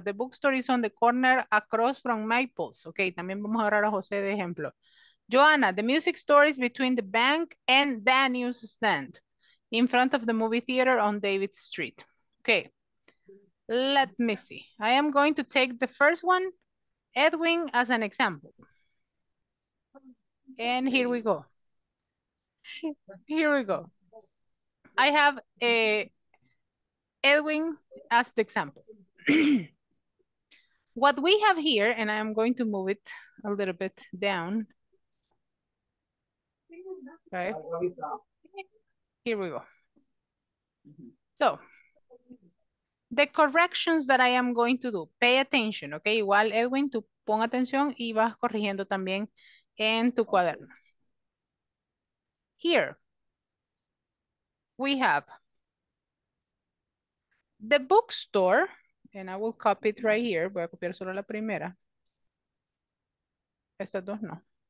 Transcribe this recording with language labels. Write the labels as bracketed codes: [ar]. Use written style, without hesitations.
[en] The bookstore is on the corner across from Maples. [es] Okay, también vamos a agarrar a José de ejemplo. [en] Joanna, the music store is between the bank and the newsstand in front of the movie theater on David Street. Okay, let me see. I am going to take the first one, Edwin, as an example. And here we go. Here we go. I have a Edwin as the example. What we have here, and I am going to move it a little bit down. Okay. Here we go. So, the corrections that I am going to do, pay attention, okay? [es] Igual, Edwin, tú pon atención y vas corrigiendo también en tu cuaderno. [en] Here we have the bookstore, and I will copy it right here. [es] Voy a copiar solo la primera. Estas dos no.